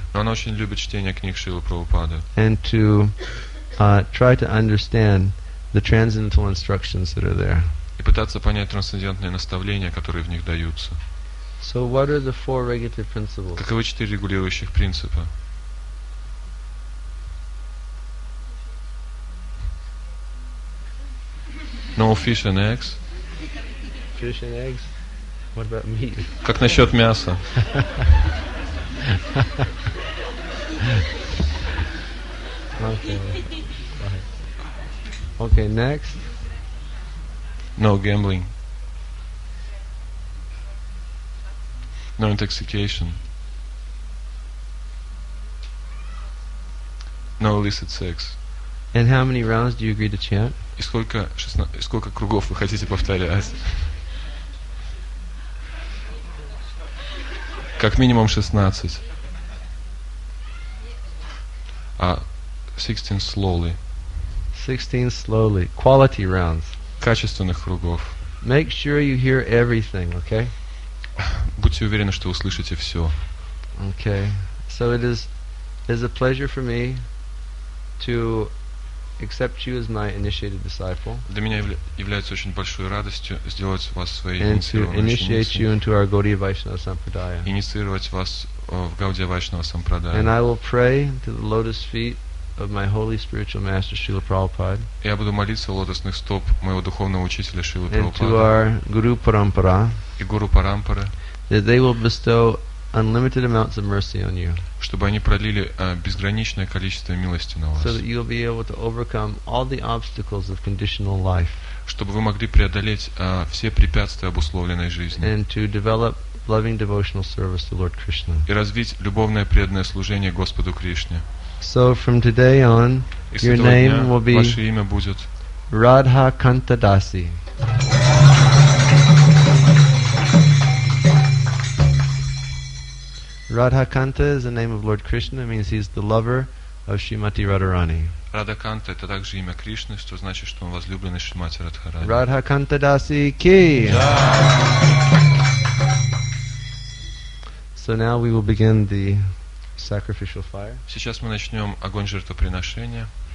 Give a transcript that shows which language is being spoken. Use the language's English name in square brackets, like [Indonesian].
[Russian] Она очень любит чтение книг Шрилы Прабхупады. [English] And to try to understand the transcendental instructions that are there. [Russian] И пытаться понять трансцендентные наставления, которые в них даются. [English] So what are the four regulative principles? [Russian] Каковы четыре регулирующих принципа? [English] No fish and eggs. Fish and eggs. What about meat? [Russian] Как насчет мяса? Ha ha ha. [English] Okay, next. No gambling. No intoxication. No illicit sex. And how many rounds do you agree to chant? [Russian] И сколько кругов вы хотите повторять? Как минимум 16. [English] 16 slowly. 16 slowly. Quality rounds. [Russian] Качественных кругов. [English] Make sure you hear everything, okay? [Russian] Будьте уверены, что услышите все. [English] Okay. So it is a pleasure for me to accept you as my initiated disciple. [Russian] Для меня является очень большой радостью сделать вас своей инициированной. Инициировать вас в Гаудия Вайшнава Сампрадая. [English] And I will pray to the lotus feet of my holy spiritual master Srila Prabhupada. [Russian] Я буду молиться лотосных стоп моего духовного учителя Шрилы Прабхупады. [English] And to our Guru Parampara. [Russian] И Гуру Парампара. [English] That they will bestow unlimited amounts of mercy on you. [Russian] Чтобы они пролили безграничное количество милости на вас. [English] So that you'll be able to overcome all the obstacles of conditional life. [Russian] Чтобы вы могли преодолеть все препятствия обусловленной жизни. [English] And to develop loving devotional service to Lord Krishna. [Russian] И развить любовное преданное служение Господу Кришне. [English] So from today on, your name will be [Russian] ваше имя будет Radha Kanta Dasi. [English] Radhakanta is the name of Lord Krishna, means he's the lover of Srimati Radharani. [Russian] Radhakanta это также имя Кришны, что значит, что он возлюбленный Шримати Радхарани. [Hindi] Radhakanta Dasi ki. [English] So now we will begin the sacrificial fire. [Russian] Сейчас мы начнём огонь жертвоприношения.